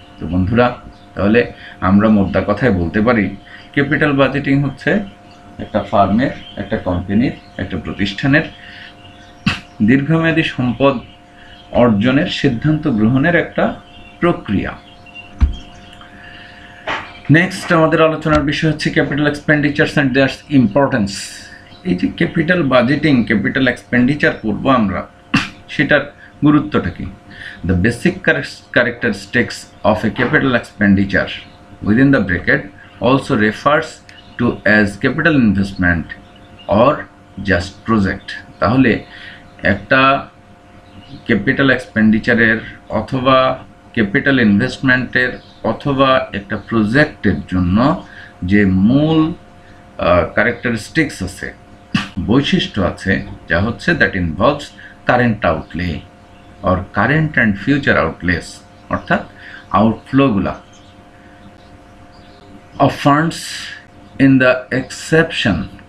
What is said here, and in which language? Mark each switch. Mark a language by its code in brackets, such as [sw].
[bn] তো বন্ধুরা, তাহলে আমরা মোদ্দা কথায় বলতে পারি, ক্যাপিটাল বাজেটিং হচ্ছে একটা ফার্মের, একটা কোম্পানির, একটা প্রতিষ্ঠানের দীর্ঘমেয়াদী সম্পদ অর্জনের সিদ্ধান্ত গ্রহণের একটা প্রক্রিয়া। নেক্সট আমাদের আলোচনার বিষয় হচ্ছে ক্যাপিটাল এক্সপেন্ডিচারস অ্যান্ড দেয়ার ইম্পর্টেন্স। এই যে ক্যাপিটাল বাজেটিং, ক্যাপিটাল এক্সপেন্ডিচার করবো আমরা, সেটার গুরুত্বটা কি? [en] The basic characteristics of a capital expenditure within the bracket also refers to as capital investment or just project. [bn] তাহলে একটা ক্যাপিটাল এক্সপেন্ডিচারের অথবা ক্যাপিটাল ইনভেস্টমেন্টের অথবা একটা প্রজেক্টের জন্য যে মূল ক্যারেক্টারিস্টিক্স আছে, বৈশিষ্ট্য আছে, যা হচ্ছে [en] that involves current outlay or current and future outlays, [bn] অর্থাৎ আউটফ্লোগুলা [en] of funds in the exception